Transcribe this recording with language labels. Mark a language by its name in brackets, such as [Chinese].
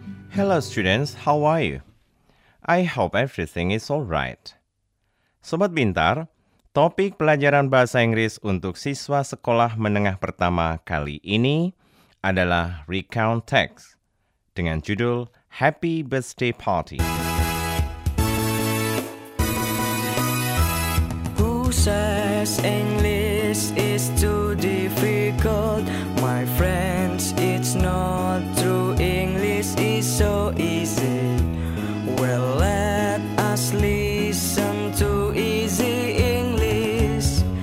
[English] Hello students, how are you? I hope everything is alright. [Indonesian] Sobat Bintar, topik pelajaran bahasa Inggris untuk siswa sekolah menengah pertama kali ini adalah Recount Text dengan judul Happy Birthday Party. [English] Who says English is too difficult? My friends, it's not true. English is so easy. Well, let us listen to easy English.